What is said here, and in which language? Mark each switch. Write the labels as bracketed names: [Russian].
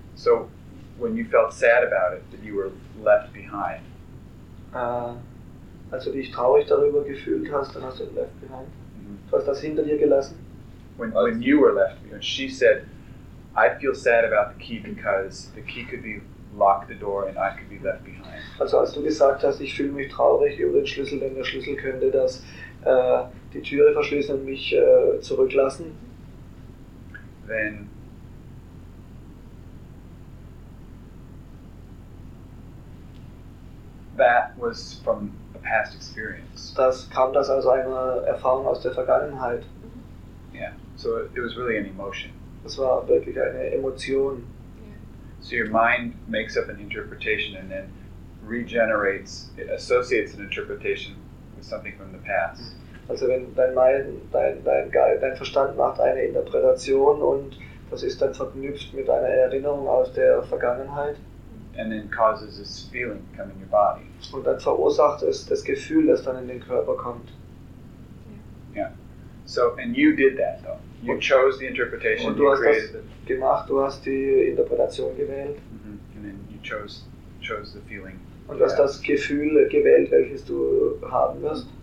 [English] So, when you felt sad about it, that you were left behind. [German] Als du dich traurig darüber gefühlt hast, dann hast du [English] left behind. [German] Mm-hmm. Du hast das hinter dir gelassen. [English] When you were left behind, she said, I feel sad about the key because the key could be lock the door and I could be left behind. [German] Also als du gesagt hast, ich fühle mich traurig über den Schlüssel, denn der Schlüssel könnte das die Türe verschließen und mich zurücklassen. [English] That was from a past experience. [German] Das kam das aus einer Erfahrung aus der Vergangenheit. [English] Yeah. So it was really an emotion. [German] Das war wirklich eine Emotion. [English] So your mind makes up an interpretation and then regenerates, it associates an interpretation with something from the past. [German] Also wenn dein Verstand macht eine Interpretation und das ist dann verknüpft mit einer Erinnerung aus der Vergangenheit. [English] And then causes this feeling to come in your body. [German] Und dann verursacht es das Gefühl, das dann in den Körper kommt. [English] Yeah. So, and you did that though. You chose the interpretation. [German] Und du hast das gemacht. Du hast die Interpretation gewählt. [English] Mm-hmm. And then you chose the feeling. [German] Und hast das Gefühl gewählt, welches du haben wirst.